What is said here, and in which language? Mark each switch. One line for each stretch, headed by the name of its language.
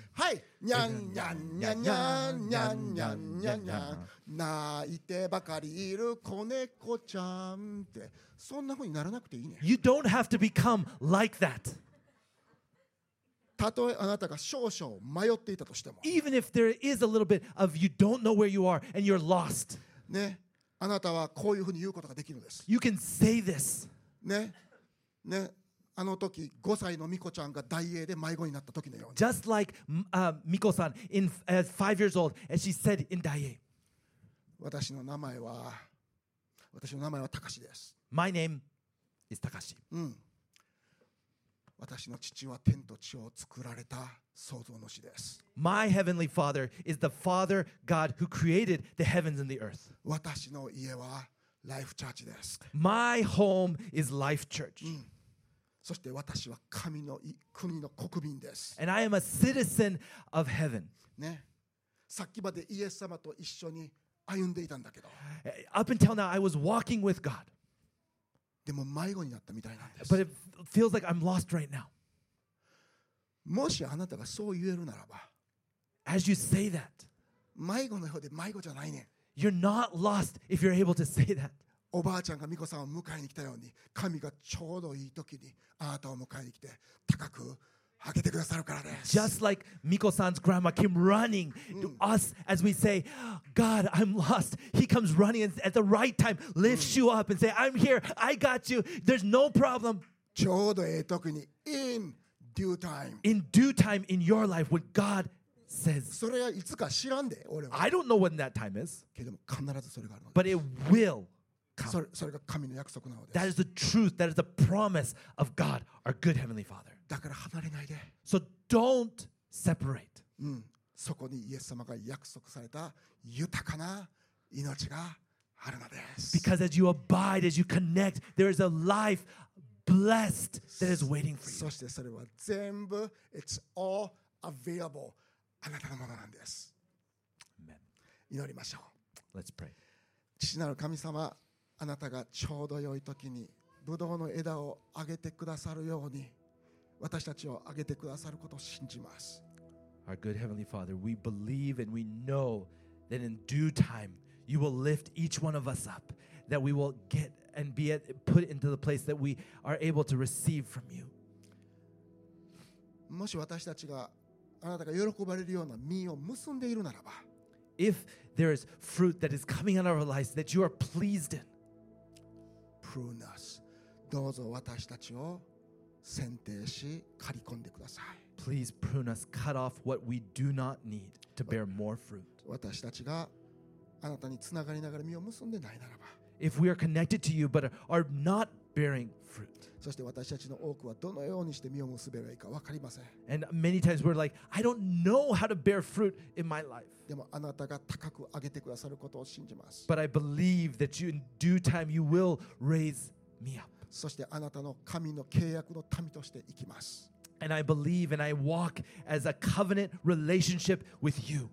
Japanese: はい、にゃんにゃんにゃんにゃんにゃんにゃんにゃんにゃん、泣いてばかりいる子猫ちゃんって。そんな風にならなくていいね。
English: You don't have to become like that.
Japanese: たとえあなたが少々迷っていたとしても、
English: Even if there is a little bit of you don't know where you are and you're lost,
Japanese: ね、あなたはこういうふうに言うことができるんです。
English: You can say this,
Japanese: ね、ね、あの時5歳のミコちゃんが大英で迷子になった時のように、
English: Just like Miko-san in as 5 years old and she said in 大英、
Japanese: 私の名前はたかしです。
English: My name is Takashi. うん。
Japanese: 私の父は天と地を作られた創造主です。
English: My heavenly father is the father God who created the heavens and the earth.
Japanese: 私の家はライフチャーチです。
English: My home is Life Church.、
Japanese: うん、そして私は神の国の国民です。
English: And I am a citizen of heaven.
Japanese: ね、さっきまでイエス様と一緒に歩んでいたんだけど。
English: Up until now, I was walking with God.
Japanese: でも迷子になったみたいなんです。
English: But it feels like I'm lost right now.
Japanese: もしあなたがそう言えるならば、
English: As you say that,
Japanese: 迷子のようで迷子じゃないね。
English: You're not lost if you're able to say that.
Japanese: おばあちゃんが巫女さんを迎えに来たように、神がちょうどいい時にあなたを迎えに来て高く上げてくださるからです。
English: Just like Miko-san's grandma came running to us as we say, God, I'm lost. He comes running and at the right time lifts you up and say, I'm here. I got you. There's no problem.
Japanese: ちょうどええ時に
English: in due time. In due time in your life when God says.
Japanese: それはいつか知らんで、俺は。
English: I don't know when that time is.
Japanese: けども必ずそれがあるの。
English: But it will come.
Japanese: それが神の約束なのです。
English: That is the truth. That is the promise of God, our good heavenly Father.
Japanese: だから離れないで。
English: So don't separate. うん。
Japanese: そこにイエス様が約束された豊かな命があるのです。
English: Because as you abide, as you connect, there is a life blessed that is waiting for you.
Japanese: そしてそれは全部
English: it's all available
Japanese: あなたのものなんです。
English: Amen.
Japanese: 祈りましょう。
English: Let's pray.
Japanese: 父なる神様、あなたがちょうど良い時にブドウの枝を上げてくださるように。私たちをあげてくださることを信じます。
English: Our good heavenly Father, we believe and we know that in due time you will lift each one of us up, that we will get and be put into the place that we are able to receive from you.
Japanese: もし私たちがあなたが喜ばれるような実を結んでいるならば、
English: If there is fruit that is coming out of our lives that you are pleased in, prune us.
Japanese: どうぞ私たちを剪定し刈り込んでください。
English: Please prune us, cut off what we do not need to bear more fruit.
Japanese: 私たちがあなたにつながりながら実を結んでないならば、
English: If we are connected to you but are not bearing fruit,
Japanese: そして私たちの多くはどのようにして実を結べばいいかわかりません。
English: And many times we're like, I don't know how to bear fruit in my life.
Japanese: でもあなたが高く上げてくださることを信じます。
English: But I believe that you, in due time, you will raise me up.
Japanese: そしてあなたの神の契約の民として生きます。
English: And I believe and I walk as a covenant relationship with you.